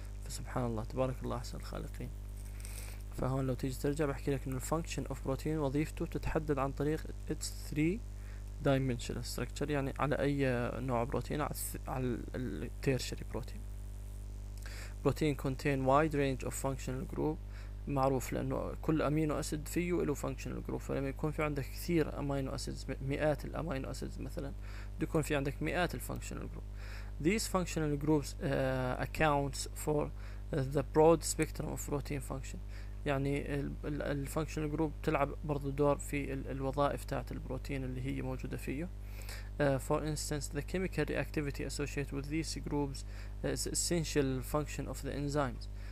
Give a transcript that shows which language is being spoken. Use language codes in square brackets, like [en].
[ar] سبحان الله تبارك الله احسن الخالقين. فهون لو تيجي ترجع بحكي لك انه [en] الفانكشن of protein [ar] وظيفته تتحدد عن طريق [en] its 3 dimensional structure, [ar] يعني على اي نوع بروتين، على التيرشري بروتين. [en] protein contain wide range of functional group, [ar] معروف لانه كل امينو اسيد فيه له فانكشنال جروب، فلما يكون في عندك كثير امينو اسيدز، مئات الامينو اسيدز مثلا، بده يكون في عندك مئات الفانكشنال جروب. [en] These functional groups accounts for the broad spectrum of protein function. [ar] يعني ال functional group تلعب برضو دور في الوظائف تاعت البروتين اللي هي موجودة فيه. [en] For instance, the chemical reactivity associated with these groups is essential function of the enzymes.